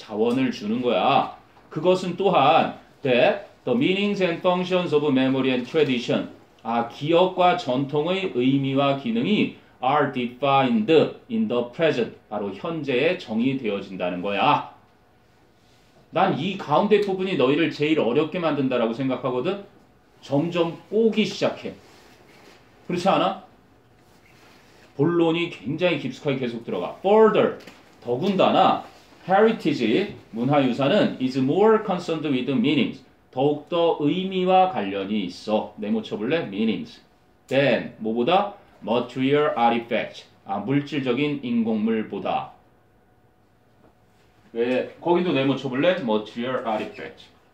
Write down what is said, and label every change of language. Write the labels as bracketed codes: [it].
[ko] 자원을 주는 거야. 그것은 또한 [en] that the meanings and functions of memory and tradition [ko] 아 기억과 전통의 의미와 기능이 [en] are defined in the present [ko] 바로 현재에 정의되어진다는 거야. 난 이 가운데 부분이 너희를 제일 어렵게 만든다라고 생각하거든? 점점 꼬기 시작해. 그렇지 않아? 본론이 굉장히 깊숙하게 계속 들어가. Further, 더군다나 heritage, 문화유산은 [en] is more concerned with meanings. [ko] 더욱더 의미와 관련이 있어. 네모 쳐볼래? meanings. Then, 뭐보다? material artifacts. 아, 물질적인 인공물보다. 왜? 거기도 네모 쳐볼래? material artifacts.